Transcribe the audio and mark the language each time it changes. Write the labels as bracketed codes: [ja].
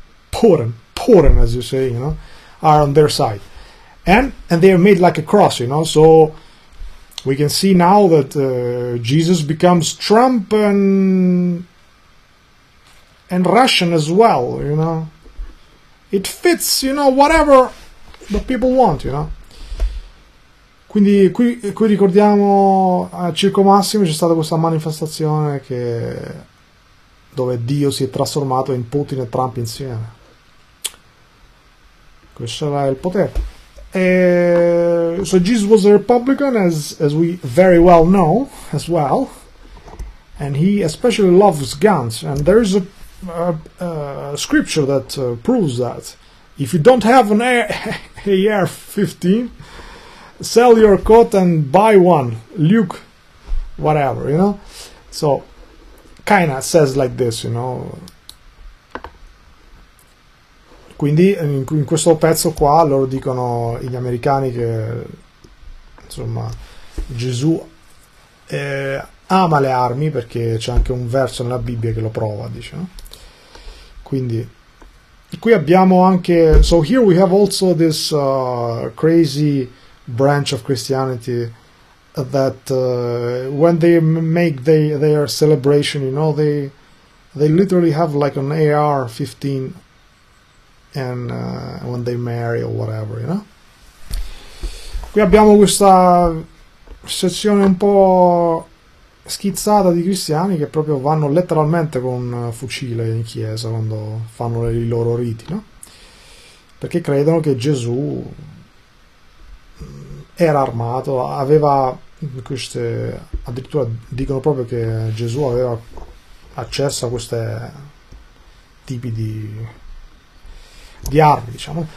[en] Putin, as you say, you know, are on their side, and they are made like a cross, you know, so we can see now that Jesus becomes Trump and Russian as well, you know. It fits, you know, whatever the people want, you know. [it] Quindi qui ricordiamo a Circo Massimo c'è stata questa manifestazione che dove Dio si è trasformato in Putin e Trump insieme. Questo era il potere. E, [en] so Jesus was a Republican, as we very well know, as well. And he especially loves guns. And there is a scripture that proves that. If you don't have an AR-15, sell your coat and buy one. Luke, whatever, you know? So, kinda says like this, you know. [it] Quindi in questo pezzo qua loro dicono, gli americani, che insomma Gesù ama le armi, perché c'è anche un verso nella Bibbia che lo prova, dice, no? Quindi qui abbiamo anche, [en] so here we have also this crazy branch of Christianity that when they make their celebration, you know, they literally have like an AR-15 and when they marry or whatever, you know. [it] Qui abbiamo questa sezione un po' schizzata di cristiani che proprio vanno letteralmente con fucile in chiesa quando fanno i loro riti, no? Perché credono che Gesù era armato, aveva queste, addirittura dicono proprio che Gesù aveva accesso a questi tipi di armi, diciamo.